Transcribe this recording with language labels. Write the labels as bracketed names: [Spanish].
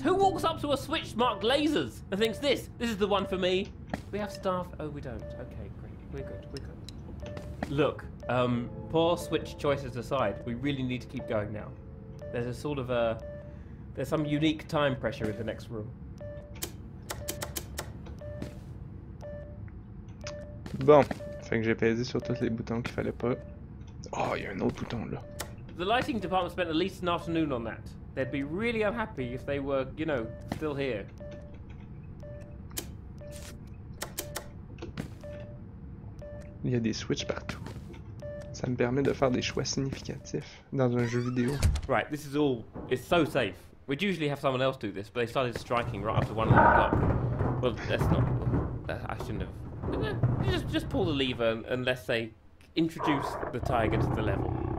[English] Who walks up to a switch marked lasers and thinks this is the one for me? We have staff. Oh, we don't. Okay, great. We're good. Look, Poor switch choices aside, we really need to keep going now. There's a sort of a... There's some unique time pressure in the next room. [French] Bon, fait que j'ai pesé sur tous les boutons qu'il fallait pas. Oh, y a un autre bouton là. [English] The lighting department spent at least an afternoon on that. They'd be really unhappy if they were, you know, still here. [French] Il y a des switches partout. Ça me permet de faire des choix significatifs dans un jeu vidéo. [English] Right, this is all. It's so safe. We'd usually have someone else do this, but they started striking right after one of them got. Well, that's not. I shouldn't have. Just pull the lever unless they introduce the tiger to the level.